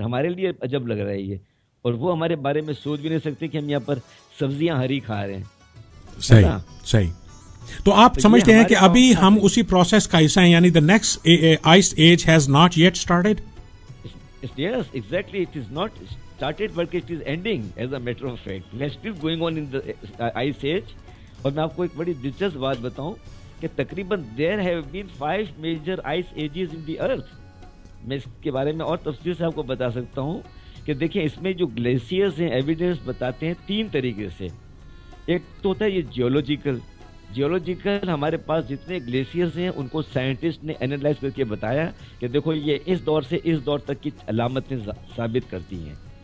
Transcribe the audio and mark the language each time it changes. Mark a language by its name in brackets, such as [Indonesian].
[Urdu] ہمارے لیے عجب لگ رہا ہے یہ, اور وہ ہمارے بارے میں سوچ بھی نہیں سکتے کہ ہم یہاں پر سبزیاں ہری کھا رہے ہیں. صحیح صحیح. تو آپ سمجھتے ہیں کہ ابھی ہم اسی پروسیس کا حصہ ہیں, یعنی [English] The next ice age has not yet started. Yes exactly, it is not started but it is ending. As a matter of fact we are still going on in the ice age. [Urdu] اور میں آپ کو ایک بڑی دلچسپ بات بتاؤں کہ تقریباً [English] There have been 5 major ice ages in the earth. [Urdu] میں اس کے بارے میں اور تفصیل سے آپ کو بتا سکتا ہوں کہ دیکھیں اس میں جو گلیشیئرز ہیں ایویڈینس بتاتے ہیں 3 طریقے سے. ایک تو ہوتا ہے یہ جیولوجیکل. ہمارے پاس جتنے گلیشیئرز ہیں ان کو سائنٹسٹ نے انالائز کر کے بتایا کہ دیکھو یہ اس دور سے اس دور تک کی علامتیں ثابت کرتی ہیں.